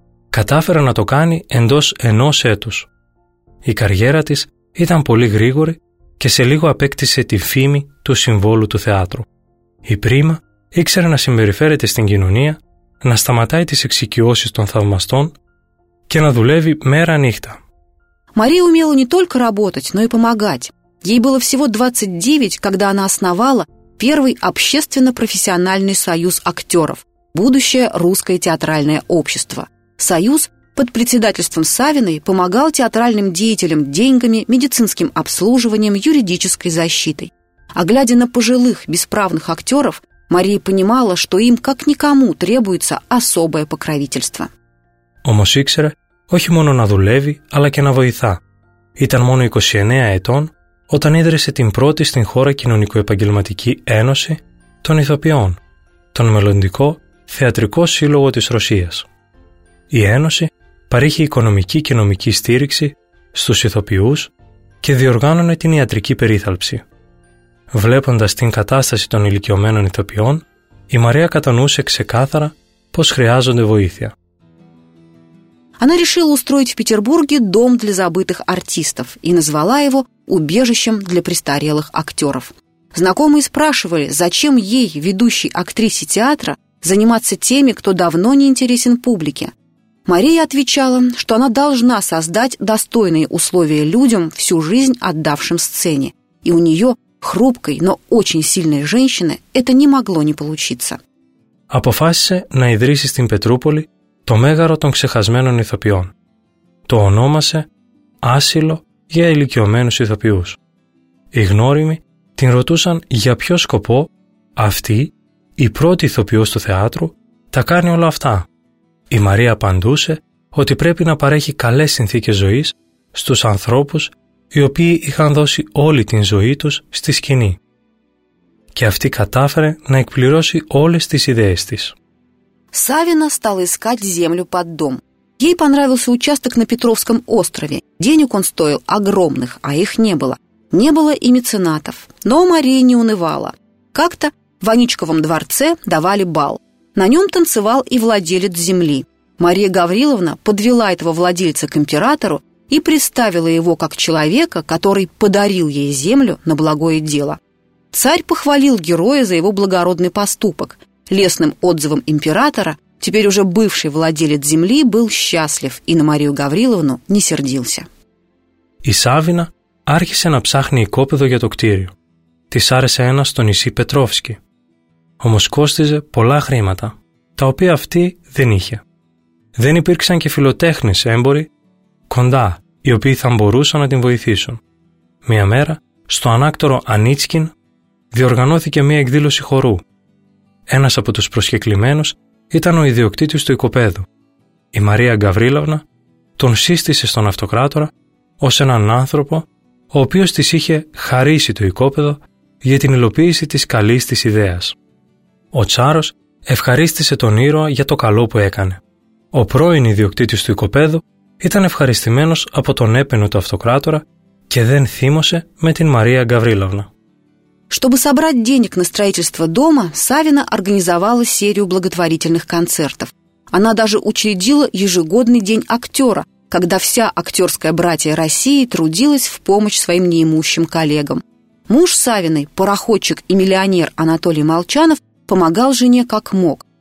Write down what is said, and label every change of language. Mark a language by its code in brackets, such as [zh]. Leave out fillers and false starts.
[el] Катафера на то кани эндос энос этус. И карьера тис ήταν πολύ γρήγορη και σε λίγο απέκτησε τη φήμη του συμβόλου του θεάτρου. Η Πρίμα ήξερε να συμπεριφέρεται στην κοινωνία, να σταματάει τις εξοικειώσεις των θαυμαστών και να δουλεύει μέρα-νύχτα. [ru] Мария умела не только работать, но и помогать. Ей было всего 29, когда она основала первый общественно-профессиональный союз актеров, будущее русское театральное общество. Союз под председательством Савиной помогал театральным деятелям деньгами, медицинским обслуживанием, юридической защитой. А глядя на пожилых, бесправных актеров, Мария понимала, что им, как никому, требуется особое покровительство. [el] Όμως ήξερε όχι μόνο να δουλεύει, αλλά και να βοηθά. Ήταν μόνο 29 ετών όταν ίδρυσε την πρώτη στην χώρα κοινωνικο-επαγγελματική ένωση των ηθοποιών, τον μελλοντικό θεατρικό σύλλογο της Ρωσίας. Η ένωση παρήχε οικονομική και νομική στήριξη στους ηθοποιούς και διοργάνωνε την ιατρική περίθαλψη. Βλέποντας την κατάσταση των ηλικιωμένων ηθοποιών, η Μαρία κατανοούσε ξεκάθαρα πως χρειάζονται βοήθεια. [ru] Она решила устроить в Петербурге дом для забытых артистов и назвала его убежищем для престарелых актеров. Знакомые спрашивали, зачем ей, ведущей актрисе театра, заниматься теми, кто давно не интересен публике. Мария отвечала, что она должна создать достойные условия людям, всю жизнь отдавшим сцене. И у нее, хрупкой, но очень сильной женщины, это не могло не получиться. [el] Αποφάσισε να ιδρύσει στην Πετρούπολη το μέγαρο των ξεχασμένων ηθοποιών. Το ονόμασε «Άσυλο για ηλικιωμένους ηθοποιούς». Οι γνώριμοι την ρωτούσαν για ποιο σκοπό αυτή, η πρώτη ηθοποιός του θεάτρου, τα κάνει όλα αυτά. Η Μαρία απαντούσε ότι πρέπει να παρέχει καλές συνθήκες ζωής στους ανθρώπους οι οποίοι είχαν δώσει όλη την ζωή τους στη σκηνή. Και αυτή κατάφερε να εκπληρώσει όλες τις ιδέες της. [ru] Савина стала искать землю под дом. Ей понравился участок на Петровском острове. Денег он стоил огромных, а их не было. Не было и меценатов. Но Мария не унывала. Как-то в Ваничковом дворце давали бал. На нем танцевал и владелец земли. Мария Гавриловна подвела этого владельца к императору и представила его как человека, который подарил ей землю на благое дело. Царь похвалил героя за его благородный поступок. Лестным отзывом императора теперь уже бывший владелец земли был счастлив и на Марию Гавриловну не сердился. [el] И Савина άρχισε να ψάχνει οικόπεδο για το κτίριο. Της άρεσε ένα στο νησί Πετρόφσκι. Όμως κόστιζε πολλά χρήματα, τα οποία αυτή δεν είχε. Δεν υπήρξαν και φιλοτέχνες έμποροι κοντά, οι οποίοι θα μπορούσαν να την βοηθήσουν. Μια μέρα, στο ανάκτορο Ανίτσκιν, διοργανώθηκε μια εκδήλωση χορού. Ένας από τους προσκεκλημένους ήταν ο ιδιοκτήτης του οικοπαίδου. Η Μαρία Γκαβρίλαυνα τον σύστησε στον αυτοκράτορα ως έναν άνθρωπο, ο οποίος της είχε χαρίσει το οικόπεδο για την υλοποίηση της καλής της ιδέας. Ο τσάρος ευχαρίστησε τον ήρωα για το καλό που έκανε. Ο πρώην ιδιοκτήτης του οικοπαίδου ήταν ευχαριστημένος από τον έπαινο του αυτοκράτορα και δεν θύμωσε με την Μαρία Γκαβρίλαυνα. [ru] Чтобы собрать денег на строительство дома, Савина организовала серию благотворительных концертов. Она даже учредила ежегодный день актера, когда вся актерская братья России трудилась в помощь своим неимущим коллегам. Муж Савиной, пароходчик и миллионер Анатолий Молчанов, помогал жене как мог.